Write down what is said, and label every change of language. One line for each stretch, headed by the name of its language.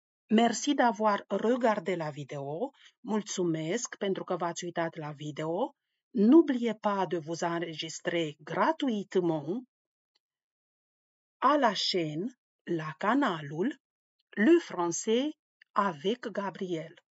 French: Merci d'avoir regardé la vidéo.
Romanian: Mulțumesc pentru că v-ați uitat la video.
French: N'oubliez pas de vous enregistrer gratuitement à la chaîne, la canalul Le Français avec Gabriel.